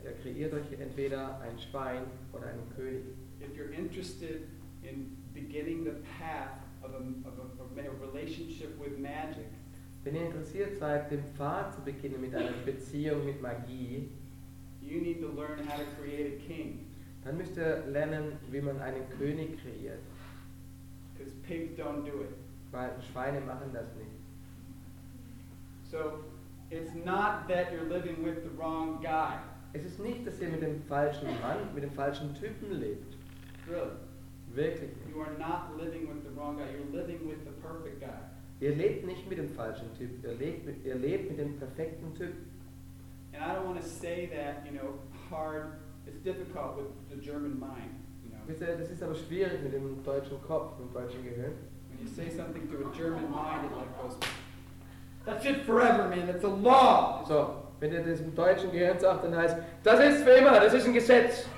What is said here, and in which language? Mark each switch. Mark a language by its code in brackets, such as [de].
[de] Ihr kreiert euch entweder ein Schwein oder einen König. [en] If you're interested in beginning the path of a relationship with magic, [de] wenn ihr interessiert seid, den Pfad zu beginnen mit einer Beziehung mit Magie, [en] you need to learn how to create a king. [de] Dann müsst ihr lernen, wie man einen König kreiert. [en] Because pigs don't do it. [de] Weil Schweine machen das nicht. [en] So, it's not that you're living with the wrong guy. [de] Es ist nicht, dass ihr mit dem falschen Mann, mit dem falschen Typen lebt. [en] Really? [de] Wirklich? [en] You are not living with the wrong guy. You're living with the perfect guy. [de] Ihr lebt nicht mit dem falschen Typ. Ihr lebt mit dem perfekten Typ. [en] And I don't want to say that, you know, hard. It's difficult with the German mind, you know. [de] Das ist aber schwierig mit dem deutschen Kopf, mit dem deutschen Gehirn. [en] When you say something to a German mind, it like goes, that's it forever, man, that's a law. [de] So, wenn ihr das im deutschen Gehirn sagt, dann heißt, das ist für immer, das ist ein Gesetz.